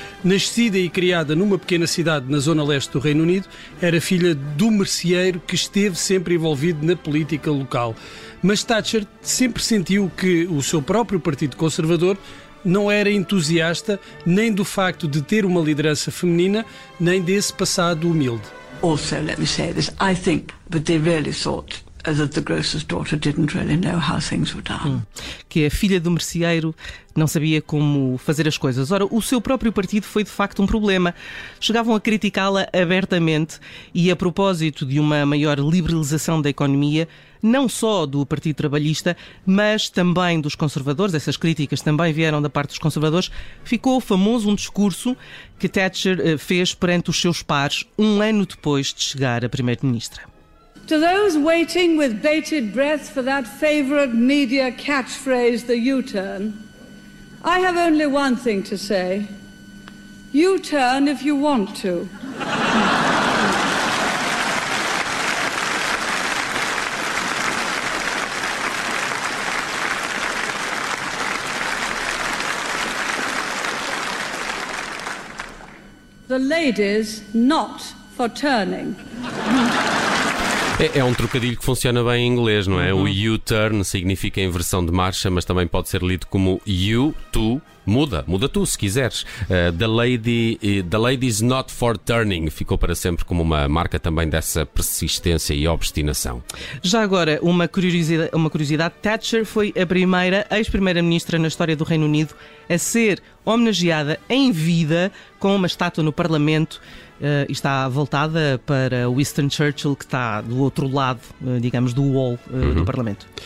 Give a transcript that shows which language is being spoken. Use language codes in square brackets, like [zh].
[pt] Nascida e criada numa pequena cidade na zona leste do Reino Unido, era filha do merceeiro que esteve sempre envolvido na política local. Mas Thatcher sempre sentiu que o seu próprio Partido Conservador não era entusiasta nem do facto de ter uma liderança feminina, nem desse passado humilde. [en] Also, let me say this, I think that they really thought that the grocer's daughter didn't really know how things were done. [pt] Que a filha do merceeiro não sabia como fazer as coisas. Ora, o seu próprio partido foi de facto um problema. Chegavam a criticá-la abertamente e a propósito de uma maior liberalização da economia, não só do Partido Trabalhista, mas também dos conservadores, essas críticas também vieram da parte dos conservadores, ficou famoso um discurso que Thatcher fez perante os seus pares um ano depois de chegar a primeira-ministra. [en] To those waiting with bated breath for that favorite media catchphrase, the U-turn, I have only one thing to say. U-turn if you want to. The ladies not for turning. [pt] É um trocadilho que funciona bem em inglês, não é? Uhum. O U-turn significa inversão de marcha, mas também pode ser lido como you, tu, muda. Muda tu, se quiseres. [en] The lady's not for turning. [pt] Ficou para sempre como uma marca também dessa persistência e obstinação. Já agora, uma curiosidade. Thatcher foi a primeira ex-primeira-ministra na história do Reino Unido a ser homenageada em vida com uma estátua no Parlamento. Está voltada para Winston Churchill, que está do outro lado, digamos, do wall do Parlamento.